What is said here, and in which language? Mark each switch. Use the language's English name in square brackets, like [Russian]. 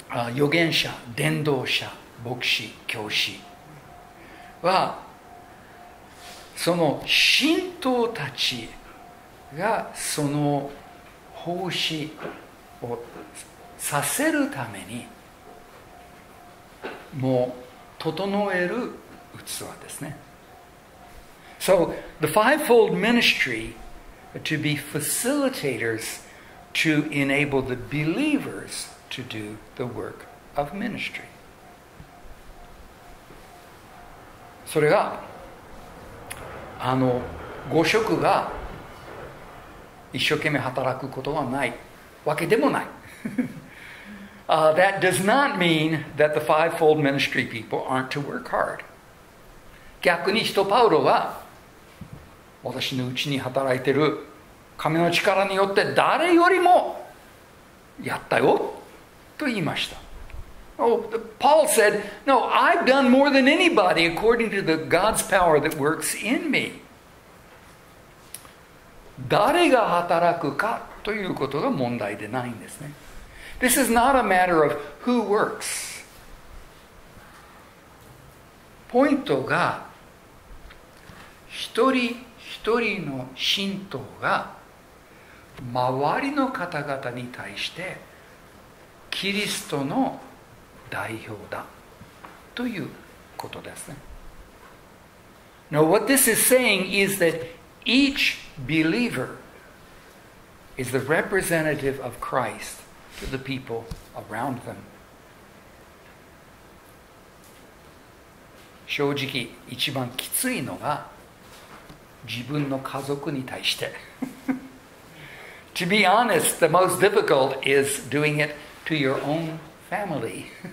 [Japanese] 預言者、伝道者、牧師、教師はその信徒たちがその奉仕をさせるためにもう整える器ですね。 [English] So, the fivefold ministry to be facilitators to enable the believers to do the work of ministry. [Japanese] それが、あの、五職が一生懸命働くことはないわけでもない。 [English] that does not mean that the fivefold ministry people aren't to work hard. [Japanese] 逆に使徒パウロは私のうちに働いてる神の力によって誰よりもやったよと言いました。 [English] Oh, Paul said, No, I've done more than anybody according to the God's power that works in me. [Japanese] 誰が働くかということが問題でないんですね。 [English] This is not a matter of who works. [Japanese] ポイントが一人一人の信徒が周りの方々に対してキリストの代表だということですね。 [English] Now what this is saying is that each believer is the representative of Christ to the people around them. [Japanese] 正直一番きついのが自分の家族に対して。 [English] To be honest, the most difficult is doing it to your own family.